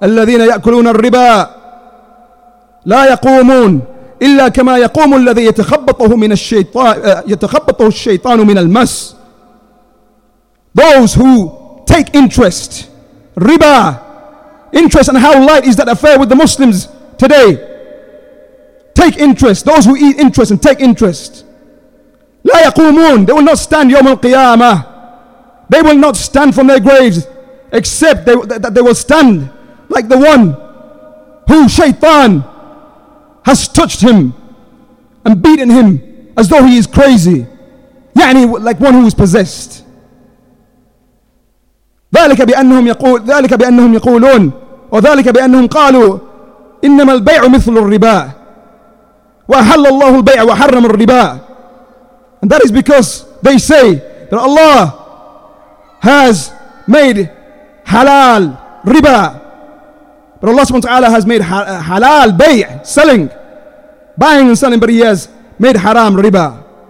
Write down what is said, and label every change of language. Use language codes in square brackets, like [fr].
[ar] الَّذِينَ يَأْكُلُونَ الرِّبَى لَا يَقُومُونَ إِلَّا كَمَا يَقُومُ الَّذِي يَتَخَبَّطَهُ الشَّيْطَانُ مِنَ الْمَسِ. [en] Those who take interest, riba, interest, and how light is that affair with the Muslims today? Take interest, those who eat interest and take interest. [ar] لا يقومون, [en] they will not stand [ar] يوم القيامة. [en] They will not stand from their graves, except that they will stand like the one who shaitan has touched him and beaten him as though he is crazy. [ar] يعني [en] like one who is possessed. [ar] ذلك بأنهم يقول ذلك بأنهم يقولون وذلك بأنهم قالوا إنما البيع مثل الربا وأحل الله البيع وحرم الربا. [en] And that is because they say that Allah has made halal riba, but Allah subhanahu wa ta'ala has made halal bay, selling, buying and selling, but he has made haram riba.